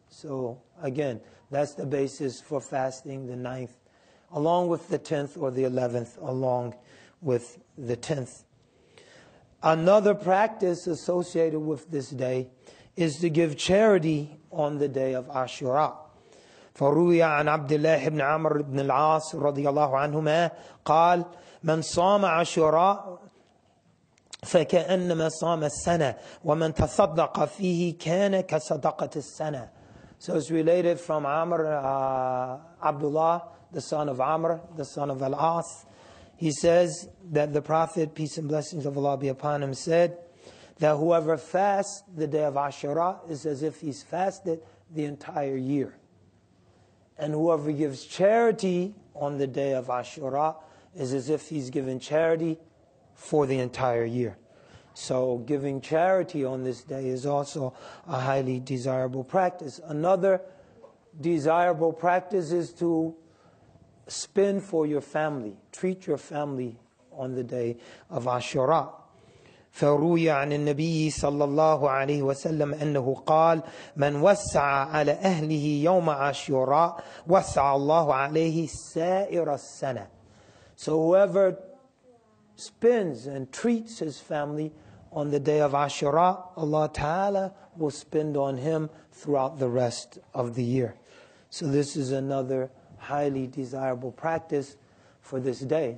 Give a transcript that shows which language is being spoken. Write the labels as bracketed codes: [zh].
[en] So again, that's the basis for fasting the 9th along with the 10th or the 11th along with the 10th. Another practice associated with this day is to give charity on the day of Ashura. [ar] فروي عن عبد الله بن عمرو بن العاص رضي الله عنهما قال: من صام عاشوراء فكأنما صام السنة، ومن تصدق فيه كان كصدقة السنة. [en] So it's related from Amr, Abdullah, the son of Amr, the son of Al-As. He says that the Prophet, peace and blessings of Allah be upon him, said that whoever fasts the day of Ashura is as if he's fasted the entire year. And whoever gives charity on the day of Ashura is as if he's given charity for the entire year. So giving charity on this day is also a highly desirable practice. Another desirable practice is to spend for your family, treat your family on the day of Ashura. [ar] فروي عن النبي صلى الله عليه وسلم أنه قال: من وسع على أهله يوم عاشوراء وسع الله عليه سائر السنة. [en] So whoever spends and treats his family on the day of Ashura, Allah Ta'ala will spend on him throughout the rest of the year. So this is another highly desirable practice for this day.